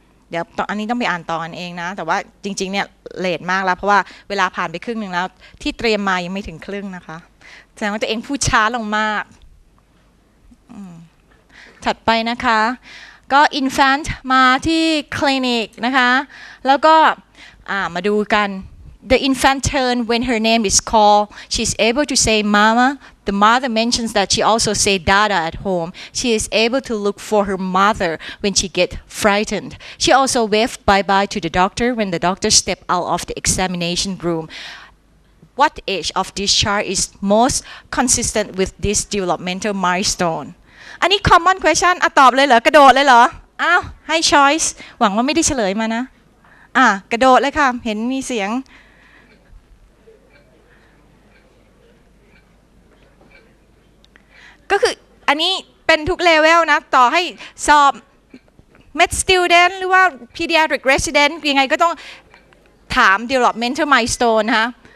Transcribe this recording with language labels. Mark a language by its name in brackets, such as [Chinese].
[Thai] เดี๋ยวอันนี้ต้องไปอ่านต่อกันเองนะแต่ว่าจริงๆเนี่ยเลทมากแล้วเพราะว่าเวลาผ่านไปครึ่งนึงแล้วที่เตรียมมายังไม่ถึงครึ่งนะคะแสดงว่าตัวเองพูดช้าลงมากถัดไปนะคะก็ infant มาที่คลินิกนะคะแล้วก็มาดูกัน [English] The infant turns when her name is called. She is able to say mama. The mother mentions that she also say dada at home. She is able to look for her mother when she gets frightened. She also waves bye-bye to the doctor when the doctor steps out of the examination room. What age of this child is most consistent with this developmental milestone? [Thai] อันนี้ common question อ่ะตอบเลยเหรอกระโดดเลยเหรออ้าวให้ choice หวังว่าไม่ได้เฉลยมานะกระโดดเลยค่ะเห็นมีเสียงก็คืออันนี้เป็นทุกเลเวลนะต่อให้สอบ med student หรือว่า pediatric resident ยังไงก็ต้องถาม developmental milestone ฮะ